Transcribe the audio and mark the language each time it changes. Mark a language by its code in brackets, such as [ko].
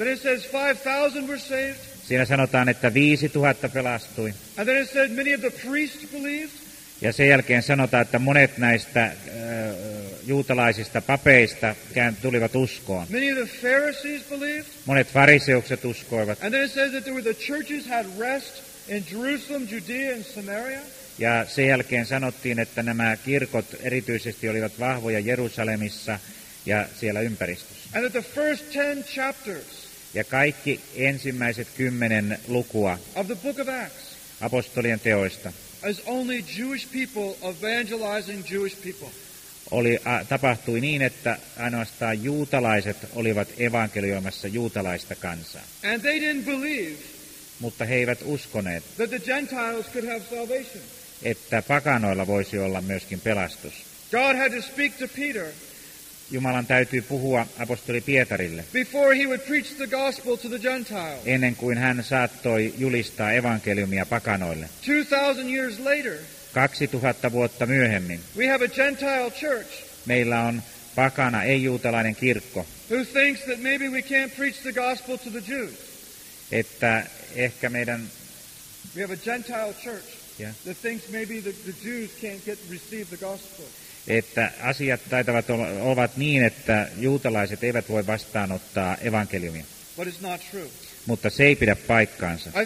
[en] Then it says 5,000 were saved. [fi] Siinä sanotaan, että 5,000 pelastui. [en] And then it says many of the priests believed. [fi] Ja sen jälkeen sanotaan, että monet näistä juutalaisista papeista tulivat uskoon. [en] Many of the Pharisees believed. [fi] Monet fariseukset uskoivat. [en] And then it says that the churches had rest in Jerusalem, Judea and Samaria. [fi] Ja sen jälkeen sanottiin, että nämä kirkot erityisesti olivat vahvoja Jerusalemissa ja siellä ympäristössä. [en] And the first 10 chapters. [fi] Ja kaikki ensimmäiset 10 lukua [en] of the book of Acts. [fi] Apostolien teoista. [en] As only Jewish people evangelizing Jewish people. [fi] Tapahtui niin, että ainoastaan juutalaiset olivat evankelioimassa juutalaista kansaa. [en] And they didn't believe, [fi] mutta he eivät uskoneet, [en] that the Gentiles could have salvation. [fi] Että pakanoilla voisi olla myöskin pelastus. [en] God had to speak to Peter, [fi] Jumalan täytyy puhua apostoli Pietarille, [en] before he would preach the gospel to the Gentiles. [fi] Ennen kuin hän saattoi julistaa evankeliumia pakanoille. [en] 2000 years later, [fi] 2000 vuotta myöhemmin. [en] We have a Gentile church. [fi] Meillä on pakana, ei-juutalainen kirkko. [en] Who thinks that maybe we can't preach the gospel to the Jews? [fi] Että ehkä meidän [en] we have a Gentile church. Yeah. That thinks maybe the Jews can't get receive the gospel. [fi] Että asiat taitavat ovat niin, että juutalaiset eivät voi vastaanottaa evankeliumia. [en] But it's not true. [fi] Mutta se ei pidä paikkaansa.